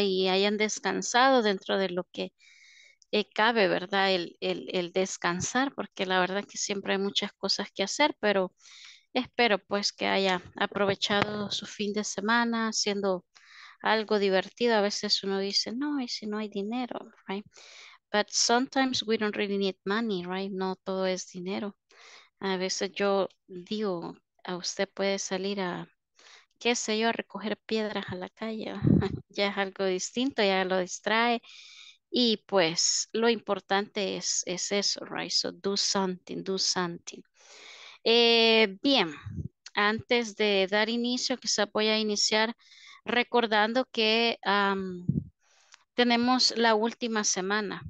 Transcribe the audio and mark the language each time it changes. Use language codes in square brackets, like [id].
[es] Y hayan descansado dentro de lo que cabe, ¿verdad? El descansar, porque la verdad es que siempre hay muchas cosas que hacer, pero espero pues que haya aprovechado su fin de semana haciendo algo divertido. A veces uno dice, no, y si no hay dinero, right? [en] But sometimes we don't really need money, right? [es] No todo es dinero. A veces yo digo, a usted puede salir a, qué sé yo, a recoger piedras a la calle. Ya es algo distinto, ya lo distrae. Y pues lo importante es eso, right? [en] So do something, do something. [es] Bien, antes de dar inicio, quizá voy a iniciar recordando que tenemos la última semana.